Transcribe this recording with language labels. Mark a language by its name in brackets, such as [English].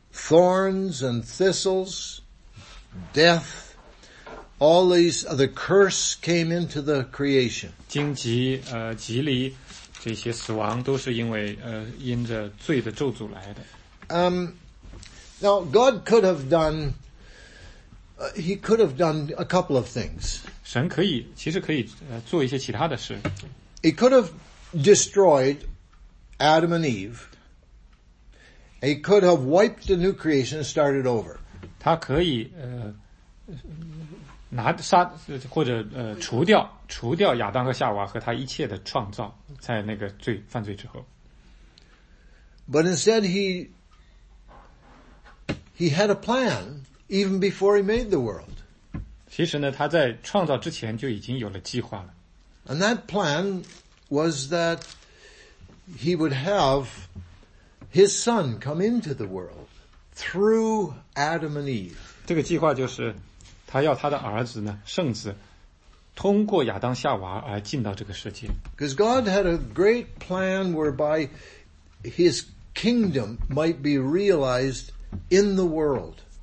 [English] Thorns and thistles, death, all these, the curse came into the creation. [Chinese] 荆棘、蒺藜这些死亡都是因为因着罪的咒诅来的。 [English] Now, God could have done, he could have done a couple of things. [Chinese] 神可以，其实可以做一些其他的事。 [English] He could have destroyed Adam and Eve, he could have wiped the new creation and started over. [Chinese] 他可以拿杀或者除掉亚当和夏娃和他一切的创造，在那个罪犯罪之后。 [English] But instead, he had a plan even before he made the world. [Chinese] 其实呢，他在创造之前就已经有了计划了。 [English] And that plan was that. He would have his son come into the world through Adam and Eve. [Chinese] 这个计划就是他要他的儿子呢，圣子，通过亚当夏娃而进到这个世界。 [English] Because God had a great plan whereby his kingdom might be realized in the world.